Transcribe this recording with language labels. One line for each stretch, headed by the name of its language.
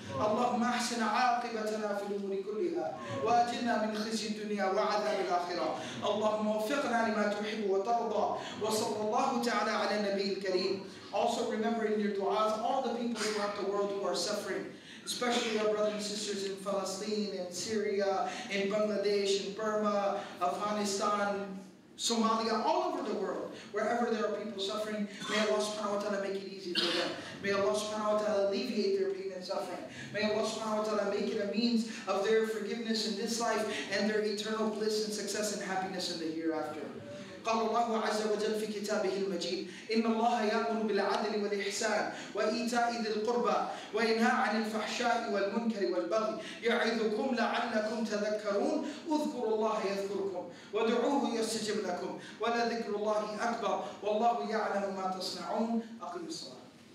Arabic: اللهم احسن عاقبتنا في الامور كلها واجرنا من خزي الدنيا وعذاب الاخره اللهم وفقنا لما تحب وترضى وصلى الله تعالى على النبي الكريم.
English: Also remember in your du'as all the people throughout the world who are suffering, especially our brothers and sisters in Palestine, in Syria, in Bangladesh, in Burma, Afghanistan, Somalia, all over the world, wherever there are people suffering, may Allah subhanahu wa ta'ala make it easy for them. May Allah subhanahu wa ta'ala alleviate their pain and suffering. May Allah subhanahu wa ta'ala make it a means of their forgiveness in this life and their eternal bliss and success and happiness in the hereafter.
Arabic: قال الله عز وجل في كتابه المجيد إن الله يأمر بالعدل والإحسان وإيتاء ذي القربى وينهى عن الفحشاء والمنكر والبغي يعظكم لعلكم تذكرون اذكروا الله يذكركم ودعوه يستجب لكم ولذكر الله أكبر والله يعلم ما تصنعون. أقم الصلاة.